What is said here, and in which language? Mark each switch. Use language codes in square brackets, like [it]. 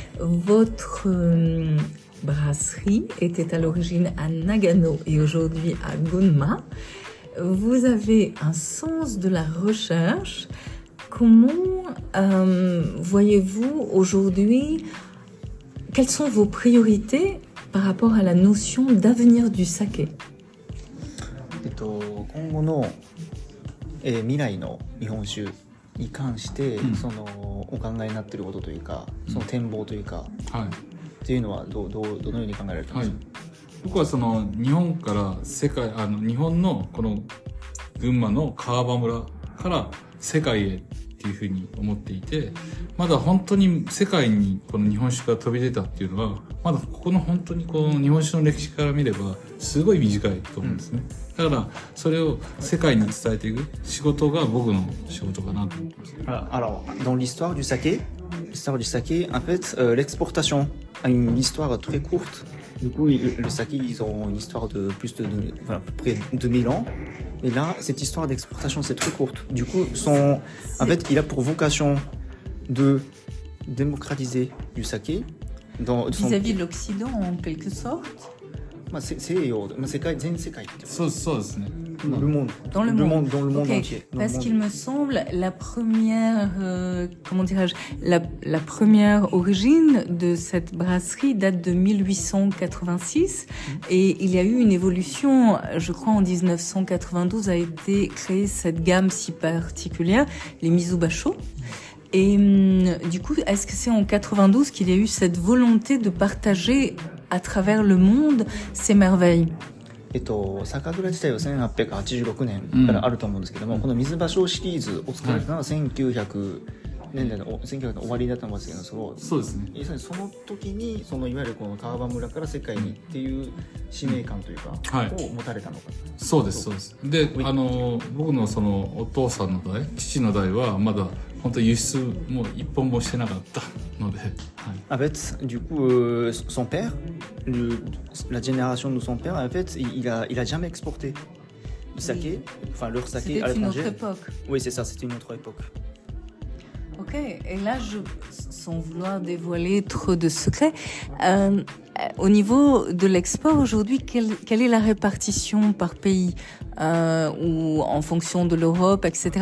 [fr] Votre brasserie était à l'origine à Nagano et aujourd'hui à Gunma. Vous avez un sens de la recherche. Comment voyez-vous aujourd'hui, quelles sont vos priorités par rapport à la notion d'avenir du saké? [ja] 今後の、未来の日本酒に関して、うん、そのお考えになっていることというか、その展望というか、うん、はい、っていうのはどのように考えられてますか？はい、僕はその日本から世界、あの日本のこの群馬の川場村から世界へっていうふうに思っていて、まだ本当に世界にこの日本酒が飛び出たっていうのは、まだここの本当にこの日本酒の歴史から見ればすごい短いと思うんですね。うん、だからそれを世界に伝えていく仕事が僕の仕事かなと思います。 [fr] Alors, dans l'histoire du saké, en fait, l'exportation a une histoire très courte. Du coup, le saké, ils ont une histoire de plus de, voilà, près de 2000 ans. Et là, cette histoire d'exportation, c'est très courte. Du coup, en fait, il a pour vocation de démocratiser du saké. Vis-à-vis de l'Occident, en quelque sorte. [ja] まあ、西洋、まあ、世界、全世界ってことですね。そうですね。 [fr] Le monde. Dans le monde. Le monde, dans le monde [en] okay. [fr] entier. Parce monde. Qu'il me semble, la première, comment dirais-je, la première origine de cette brasserie date de 1886. Mm. Et il y a eu une évolution, je crois, en 1992 a été créée cette gamme si particulière, les Mizubasho. Mm. Et du coup, est-ce que c'est en 92 qu'il y a eu cette volonté de partager à travers le monde ces merveilles? [ja] 酒蔵自体は1886年からあると思うんですけども、うん、この水場所シリーズを作ったのは1900年代の終わりだったんですけど、そうですね、その時にそのいわゆるこの川場村から世界にっていう使命感というか、うん、を持たれたのか、はい、そうです、そうです。で、あの僕のそのお父さんの代、父の代はまだ本当輸出も一本もしてなかったので、 [fr] En fait, du coup, son père, la génération de son père, en fait, il a jamais exporté du saké, enfin leur saké à l'étranger. C'était une autre époque. Oui, c'est ça, c'était une autre époque. Ok, et là, sans vouloir dévoiler trop de secrets, au niveau de l'export aujourd'hui, quelle est la répartition par pays ou en fonction de l'Europe, etc.